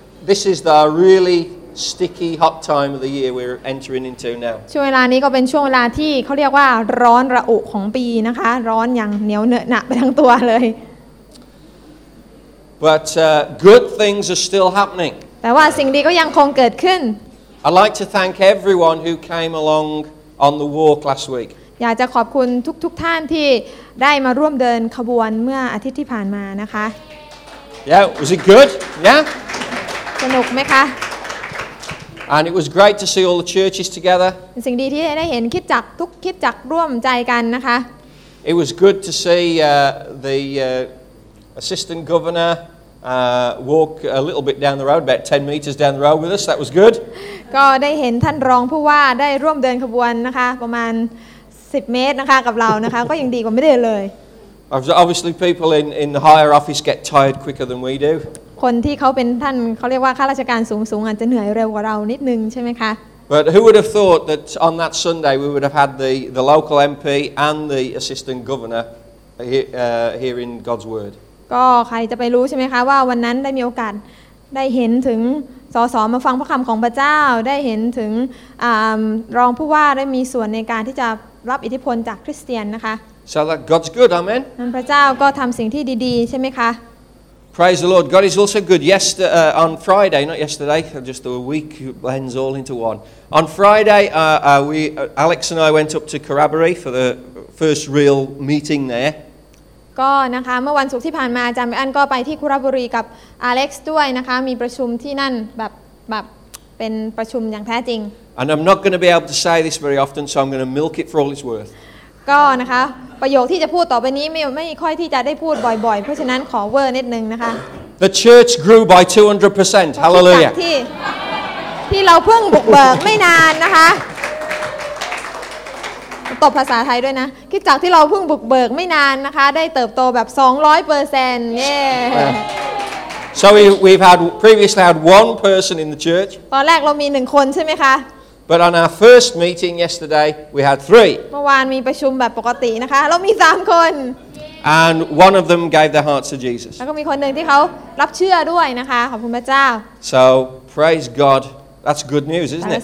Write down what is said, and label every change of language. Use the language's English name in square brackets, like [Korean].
[English] This is the reallysticky hot time of the year we're entering into now [Thai] ช่วงเวลานี้ก็เป็นช่วงเวลาที่เขาเรียกว่าร้อนระอุของปีนะคะร้อนอย่างเหนียวเหนอะหนะไปทั้งตัวเลย [English] but good things are still happening [Thai] แต่ว่าสิ่งดีก็ยังคงเกิดขึ้น [English] I'd like to thank everyone who came along on the walk last week [Thai] อยากจะขอบคุณทุกท่านที่ได้มาร่วมเดินขบวนเมื่ออาทิตย์ที่ผ่านมานะคะ [English] yeah was it good yeah [Thai] สนุกไหมคะ [English] And it was great to see all the churches together. [Thai] สิ่งดีที่ได้เห็นคิดจักทุกคิดจักร่วมใจกันนะคะ [English] It was good to see the assistant governor walk a little bit down the road, about 10 meters down the road with us. That was good. [Thai] ก็ได้เห็นท่านรองผู้ว่าได้ร่วมเดินขบวนนะคะประมาณ10เมตรนะคะกับเรานะคะก็ยังดีกว่าไม่ได้เลย [English] Obviously, people in the higher office get tired quicker than we do. [Thai] คนที่เขาเป็นท่านเขาเรียกว่าข้าราชการสูงๆอาจจะเหนื่อยเร็วกว่าเรานิดนึงใช่ไหมคะ [English] But who would have thought that on that Sunday we would have had the local MP and the assistant governor here in God's Word [Thai] ก็ใครจะไปรู้ใช่ไหมคะว่าวันนั้นได้มีโอกาสได้เห็นถึงส.ส. มาฟังพระคำของพระเจ้าได้เห็นถึงรองผู้ว่าได้มีส่วนในการที่จะรับอิทธิพลจากคริสเตียนนะคะ [English] So that God's good, Amen. [Thai] นั้นพระเจ้าก็ทำสิ่งที่ดีๆใช่ไหมคะ [English] Praise the Lord. God is also good. Yesterday, on Friday, not yesterday, just a week blends all into one. On Friday, Alex and I went up to Corroboree for the first real meeting there. [Thai] ก็นะคะเมื่อวันศุกร์ที่ผ่านมาจำไปอันก็ไปที่ Corroboree กับ Alex ด้วยนะคะมีประชุมที่นั่นแบบเป็นประชุมอย่างแท้จริง [English] And I'm not going to be able to say this very often, so I'm going to milk it for all it's worth. [Thai] ก็นะคะประโยคที่จะพูดต่อไปนี้ไม่ค่อยที่จะได้พูดบ่อยๆเพราะฉะนั้นขอเวอร์นิดนึงนะคะ [English] The church grew by 200% Hallelujah [Thai] ที่เราเพิ่งบุกเบิกไม่นานนะคะตบภาษาไทยด้วยนะคิดจากที่เราเพิ่งบุกเบิกไม่นานนะคะได้เติบโตแบบ 200% เย้ [English] So we've previously had one person in the church [Thai] ตอนแรกเรามี1คนใช่ไหมคะ [English] But on our first meeting yesterday, we had three. [Thai] เมื่อวานมีประชุมแบบปกตินะคะเรามี3คน [English] And one of them gave their hearts to Jesus. [Thai] แล้วก็มีคนหนึ่งที่เขารับเชื่อด้วยนะคะขอบคุณพระเจ้า [English] So praise God, that's good news, isn't it?